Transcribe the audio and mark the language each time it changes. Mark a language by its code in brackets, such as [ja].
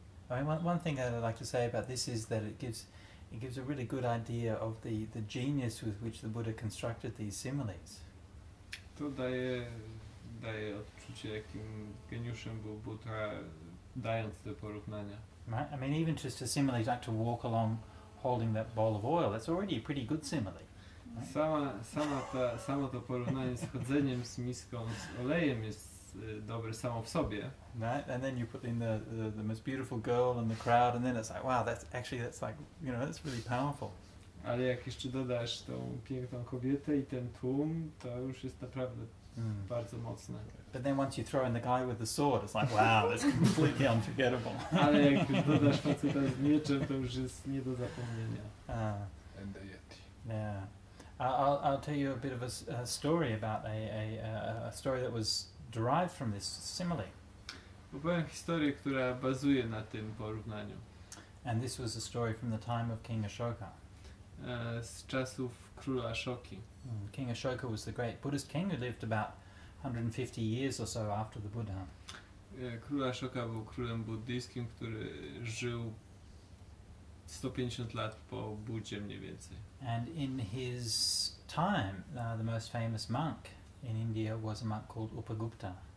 [en] I mean, one thing that I'd like to say about this is that it gives a really good idea of the genius with which the Buddha constructed these similes. [pl] To daje odczucie, jakim geniuszem był Buddha, dając te porównania. [en] Right? I mean, even just a simile like to walk along holding that bowl of oil, that's already a pretty good simile. Right? [pl] Samo to porównanie z chodzeniem z miską z olejem jest dobre samo w sobie. [en] Right? And then you put in the most beautiful girl in the crowd, and then it's like, wow, that's like, you know, that's really powerful. [pl] Ale jak jeszcze dodasz tą piękną kobietę i ten tłum, to już jest naprawdę bardzo mocne. [en] But then once you throw in the guy with the sword, it's like, wow, that's completely unforgettable. [pl] Ale jak już dodasz faceta z mieczem, to już jest nie do zapomnienia. [en] And the Yeti. Yeah. I'll tell you a bit of a story about a story that was derived from this simile. [pl] Opowiem historię, która bazuje na tym porównaniu. [en] And this was a story from the time of King Ashoka. [pl] Z czasów króla Ashoki. [en] King Ashoka was the great Buddhist king who lived about 150 years or so after the Buddha. [pl] Król Ashoka był królem buddyjskim, który żył 150 lat po Buddzie mniej więcej. [en] And in his time, the most famous monk in India was a monk called Upagupta.